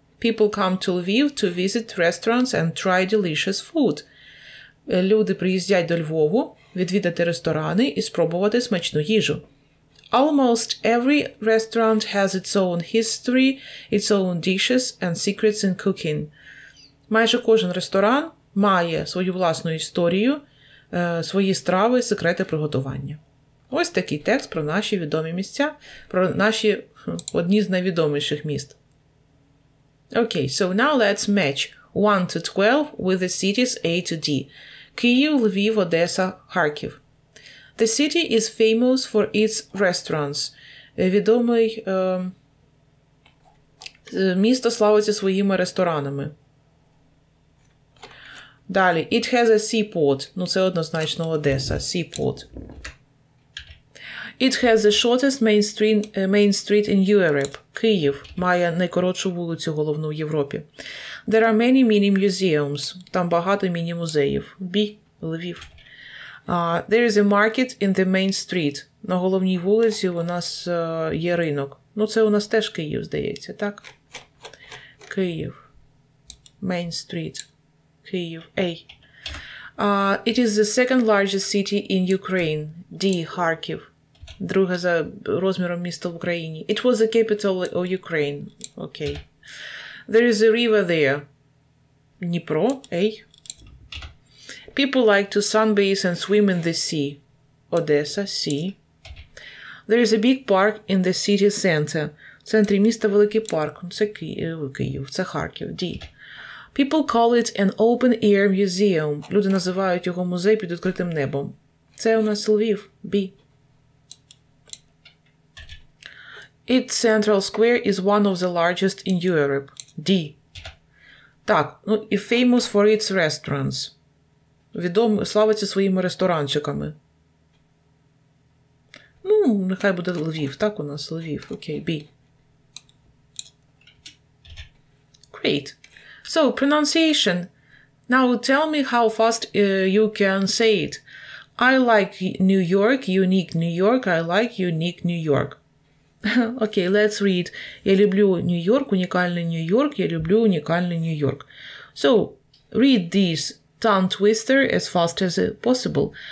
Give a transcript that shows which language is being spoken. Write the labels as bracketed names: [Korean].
[English] People come to Lviv to visit restaurants and try delicious food. [Ukrainian] Люди приїздять до Львову відвідати ресторани і спробувати смачну їжу. [English] Almost every restaurant has its own history, its own dishes and secrets in cooking. [Ukrainian] Майже кожен ресторан має свою власну історію, свої страви, секрети приготування. Ось такий текст про наші відомі місця, про наші одні з найвідоміших міст. [English] Okay, so now let's match 1 to 12 with the cities A to D. [Ukrainian] Київ, Львів, Одеса, Харків. [English] The city is famous for its restaurants. [Ukrainian] Відомий місто славиться своїми ресторанами. Далі, [English] it has a seaport. [Ukrainian] Ну, це однозначно Одеса, seaport. [English] It has the shortest main street in Europe. [Ukrainian] Київ має найкоротшу вулицю головну в Європі. [English] There are many mini museums. [Ukrainian] Там багато міні-музеїв. Бі, Львів. [English] There is a market in the main street. [Ukrainian] На головній вулиці у нас є ринок. Ну, це у нас теж Київ, здається, так? [English] Київ. Main street. Київ. A. It is the second largest city in Ukraine. [Ukrainian] D. Харків. Друге за розміром місто в Україні. [English] It was the capital of Ukraine. Okay. There is a river there. [Ukrainian] Дніпро, ей. [English] People like to sunbathe and swim in the sea. Одеса, sea. There is a big park in the city center. [Ukrainian] В центрі міста великий парк. Це Київ, це Харків. D. [English] People call it an open-air museum. [Ukrainian] Люди називають його музей під відкритим небом. Це у нас Львів. B. [English] Its central square is one of the largest in Europe. D. [Ukrainian] Так, ну і [English] famous for its restaurants. [Ukrainian] Відомий, славиться своїми ресторанчиками. Ну, нехай буде Львів. Так у нас Львів. Окей, B. [English] Great. So, pronunciation. Now tell me how fast you can say it. I like New York, unique New York, I like unique New York. Окей, okay, let's read. [Ukrainian] Я люблю Нью-Йорк, унікальний Нью-Йорк, я люблю унікальний Нью-Йорк. [English] So, read this tongue twister as fast as possible.